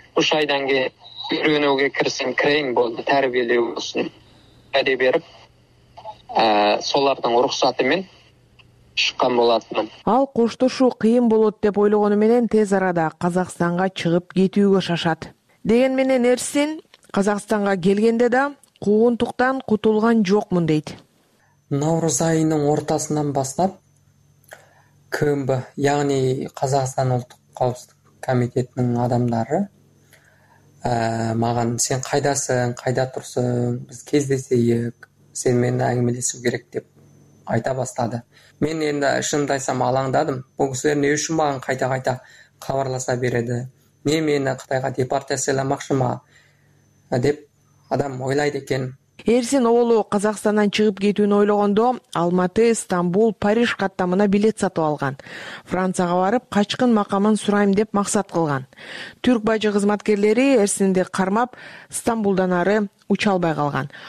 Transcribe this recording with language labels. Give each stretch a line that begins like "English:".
Kyrgyz: Ушу айдан кийин үйрөнүүгө кирсин, кирейин болду, тарбиялоо болсун деп берип, солардын уруксаты менен чыккан болатмын. Ал коштошуу кыйын болот деп ойлогону менен тез арада Казакстанга чыгып кетүүгө шашат. Деген менен Эрсин Казакстанга келгенде да куугунтуктан кутулган жокмун дейт. Наурыз айынын ортосунан баштап КМБ, яны Казакстан улуттук коопсуздук комитетинин адамдары
Kazakh: маған, сен қайдасың, қайда тұрсың, біз кездесейік, сен мені әңгімелесу керек деп айта бастады. Мен енді шынымды айтсам алаңдадым. Бұл кісілер не үшін маған қайта-қайта хабарласа береді? Не мені Қытайға депортацияламақшы ма? Деп адам ойлайды екен.
Kyrgyz: Эрсин уулу Казакстандан чыгып кетүүнү ойлогондо Алматы, Стамбул, Париж каттамына билет сатып алган. Францияга барып качкын макамын сурайм деп максат кылган. Түрк бажы кызматкерлери Эрсинди кармап, Стамбулдан ары уча албай калган.